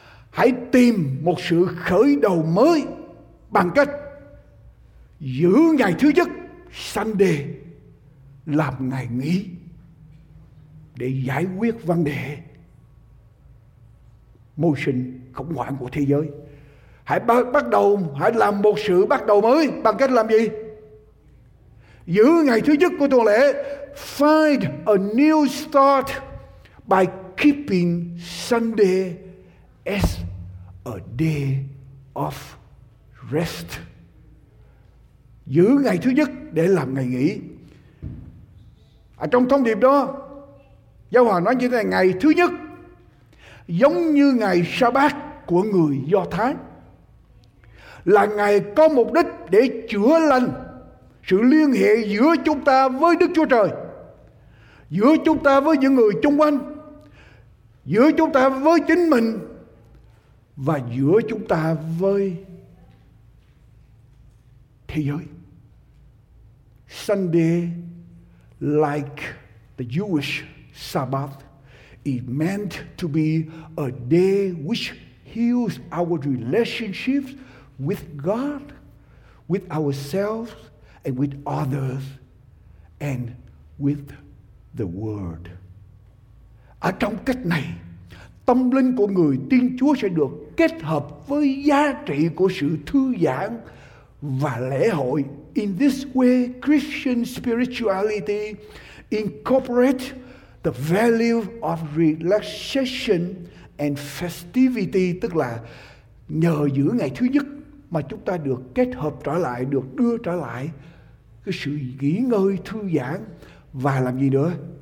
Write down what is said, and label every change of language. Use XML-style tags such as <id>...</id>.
<vi>Hãy tìm một sự khởi đầu mới bằng cách giữ ngày thứ nhất, Sunday, làm ngày nghỉ để giải quyết vấn đề môi sinh khủng hoảng của thế giới. Hãy bắt đầu, hãy làm một sự bắt đầu mới bằng cách làm gì? Giữ ngày thứ nhất của tuần lễ.</vi> <en>Find a new start by keeping Sunday as a day of rest.</en> <vi>Giữ ngày thứ nhất để làm ngày nghỉ. Trong thông điệp đó, Giáo hoàng nói như thế này: ngày thứ nhất giống như ngày Sa-bát của người Do Thái, là ngày có mục đích để chữa lành sự liên hệ giữa chúng ta với Đức Chúa Trời, giữa chúng ta với những người chung quanh, giữa chúng ta với chính mình, và giữa chúng ta với thế giới.</vi> <en>Sunday, like the Jewish Sabbath, is meant to be a day which heals our relationships with God, with ourselves, and with others, and with the world.</en> <vi>Ở trong cách này, tâm linh của người tin Chúa sẽ được kết hợp với giá trị của sự thư giãn và lễ hội.</vi> <en>In this way, Christian spirituality incorporates the value of relaxation and festivity,</en> <vi>tức là nhờ giữ ngày thứ nhất mà chúng ta được kết hợp trở lại, được đưa trở lại cái sự nghỉ ngơi, thư giãn, và làm gì nữa?</vi>